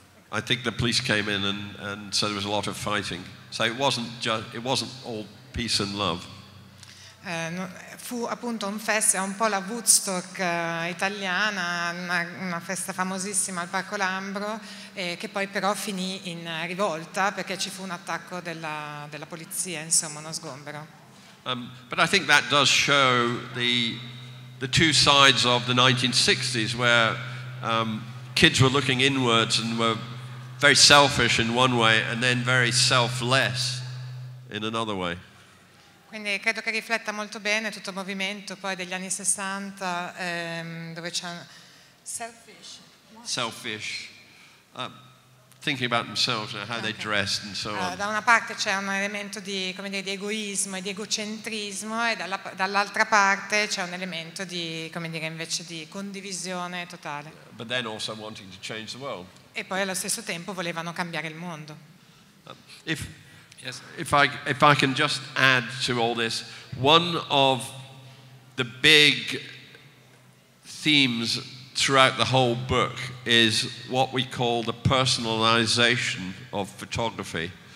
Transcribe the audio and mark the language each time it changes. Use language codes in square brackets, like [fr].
[en] I think the police came in, and so there was a lot of fighting. So it wasn't all peace and love. [it] Fu appunto un festival, un po' la Woodstock italiana, una festa famosissima al Parco Lambro, che poi però finì in rivolta perché ci fu un attacco della polizia, insomma, uno sgombero. [en] But I think that does show the two sides of the 1960s, where kids were looking inwards and were very selfish in one way and then very selfless in another way. [it] Quindi credo che rifletta molto bene tutto il movimento poi degli anni 60, dove c'è selfish. [en] Selfish. thinking about themselves and how they dressed and so on. [it] Da una parte c'è un elemento di, come dire, di egoismo e di egocentrismo, e dall'altra parte c'è un elemento di, come dire, invece di condivisione totale. [en] But then also wanting to change the world. [it] E poi allo stesso tempo volevano cambiare il mondo. [en] If I can just add to all this, one of the big themes throughout the whole book is what we call the personalization of photography,